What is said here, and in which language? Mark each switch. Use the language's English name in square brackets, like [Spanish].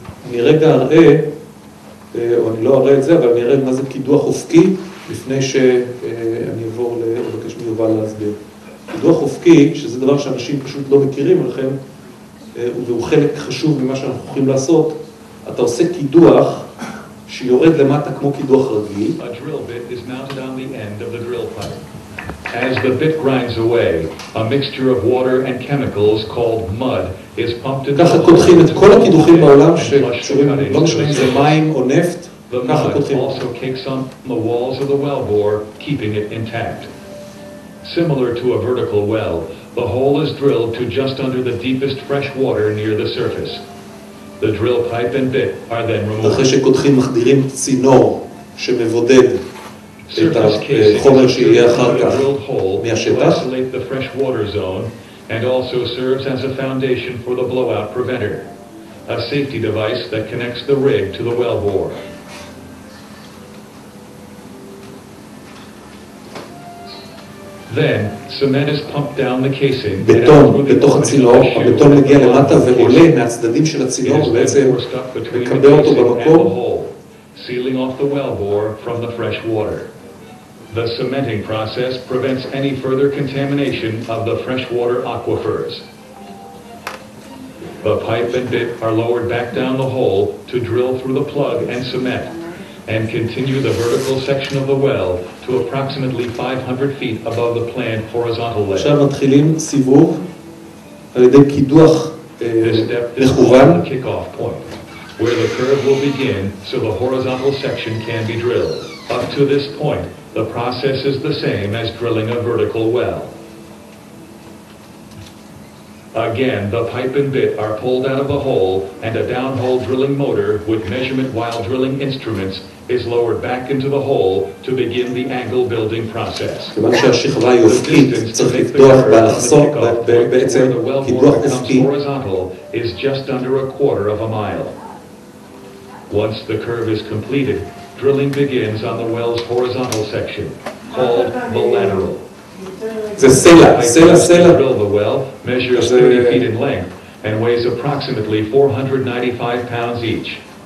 [Hebrew] אני רגע אראה, או אני לא אראה את זה, אבל אני אראה מה זה קידוח אופקי, לפני שאני אעבור לבקש מיובל להסביר. קידוח אופקי, שזה דבר שאנשים פשוט לא מכירים עליכם, והוא חלק חשוב ממה שאנחנו הולכים לעשות, אתה עושה קידוח שיורד למטה כמו קידוח רגיל. [English] A drill bit is mounted on the end of the drill pipe. As the bit grinds away, a mixture of water and chemicals called mud is pumped into the [Hebrew] ככה קודחים את כל הקידוחים בעולם שקשורים, לא משנה אם זה מים או נפט, ככה קודחים. [English] The mud also kicks on the walls of the well bore, keeping it intact. Similar to a vertical well, the hole is drilled to just under the deepest fresh water near the surface. The drill pipe and bit are then removed. [Hebrew] אחרי שקודחים מחדירים צינור שמבודד את החומר שיהיה אחר כך מהשטח. [English] Isolate the fresh water zone and also serves as a foundation for the blowout preventer, a safety device that connects the rig to the well bore. Then cement is pumped down the casing. [Hebrew] בטון בתוך הצינור, הבטון מגיע למטה ועולה מהצדדים של הצינור, בעצם מקבע אותו במקום, [English] sealing off the well bore from the fresh water. The cementing process prevents any further contamination of the freshwater aquifers. The pipe and bit are lowered back down the hole to drill through the plug and cement and continue the vertical section of the well to approximately 500 feet above the planned horizontal layer. [Hebrew] עכשיו מתחילים סיבוב על ידי קידוח מכוון. [English] This step is the kickoff point. where the curve will begin so the horizontal section can be drilled. Up to this point, the process is the same as drilling a vertical well. Again, the pipe and bit are pulled out of the hole, and a downhole drilling motor with measurement while drilling instruments is lowered back into the hole to begin the angle building process. [Hebrew] כיוון שהשכבה היא אופקית, צריך לקדוח באלכסון, בעצם קדוח אופקי. [English] Horizontal is just under a quarter of a mile. Once the curve is completed, drilling begins on the well's horizontal section, called the lateral. [Hebrew] זה סלע, סלע, סלע. [English] Drill the well measures 30 feet in length and weighs approximately 495 pounds each.